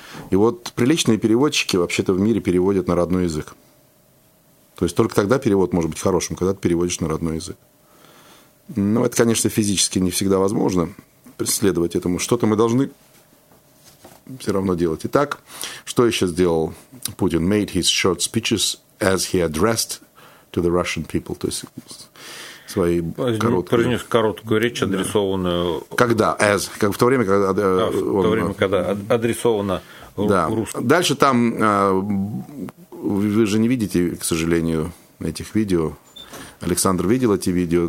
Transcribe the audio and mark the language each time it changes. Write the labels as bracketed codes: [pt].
[ru] И вот приличные переводчики вообще-то в мире переводят на родной язык. То есть только тогда перевод может быть хорошим, когда ты переводишь на родной язык. Но это, конечно, физически не всегда возможно следовать этому. Что-то мы должны все равно делать. Итак, что еще сделал Путин? [en] Made his short speeches as he addressed to the Russian people. [ru] То есть свои короткие... Произнес короткую речь, адресованную... Когда? As. Как в то время, когда... Он... В то время, когда адресовано... Да. Дальше там, вы же не видите, к сожалению, этих видео. Александр видел эти видео.